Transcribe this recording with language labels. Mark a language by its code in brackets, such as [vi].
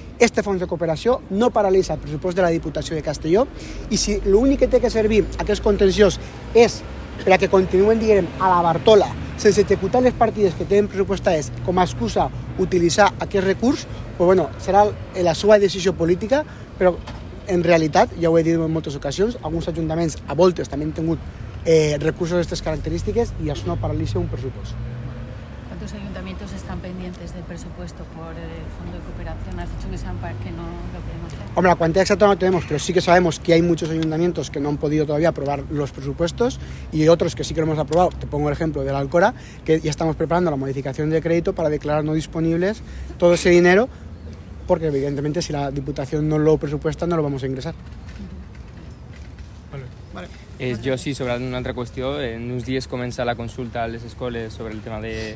[ca] Este fons de cooperació no paralitza el pressupost de la Diputació de Castelló, i si l'únic que té que servir aquests contenciós és per a que continuen, diguem, a la Bartola, sense executar les partides que tenen pressupostades com a excusa utilitzar aquest recurs, pues bueno, serà la seva decisió política, però en realitat, ja ho he dit en moltes ocasions, alguns ajuntaments a voltes també han tingut recursos d'aquestes característiques, i això no paralitza un pressupost. [es] ¿Cuántos ayuntamientos están pendientes del presupuesto por el fondo de cooperación? ¿Has dicho que sean para que no lo podemos hacer? Hombre, la cuantía exacta no tenemos, pero sí que sabemos que hay muchos ayuntamientos que no han podido todavía aprobar los presupuestos, y hay otros que sí que lo hemos aprobado. Te pongo el ejemplo de la Alcora, que ya estamos preparando la modificación de crédito para declarar no disponibles todo ese dinero, porque evidentemente si la Diputación no lo presupuesta no lo vamos a ingresar. [ca] Jo sí, sobre una altra qüestió, en uns dies comença la consulta a les escoles sobre el tema de,